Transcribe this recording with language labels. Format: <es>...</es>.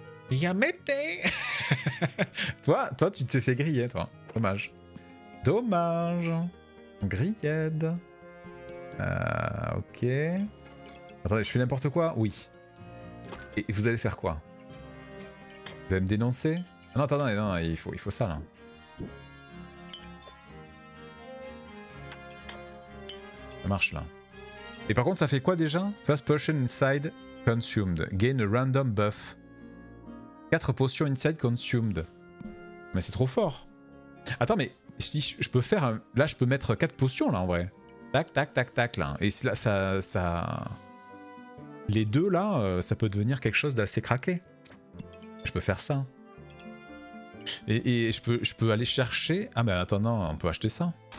<fr>Yamete. toi, tu te fais griller, toi. Dommage. Grillade. Ok. Attendez, je fais n'importe quoi. Oui. Et vous allez faire quoi? Vous allez me dénoncer? Ah non, attendez, non, il faut ça là. Ça marche là. Et par contre, ça fait quoi déjà?</fr> <en>First potion inside consumed. Gain a random buff. 4 potions inside consumed.</en> <fr>Mais c'est trop fort. Attends, mais si je peux faire un... Là, je peux mettre 4 potions là en vrai. Tac, tac, tac, tac là. Et là, ça... Les deux là, ça peut devenir quelque chose d'assez craqué. Je peux faire ça. Et je peux aller chercher... Ah mais en attendant, on peut acheter ça.</fr>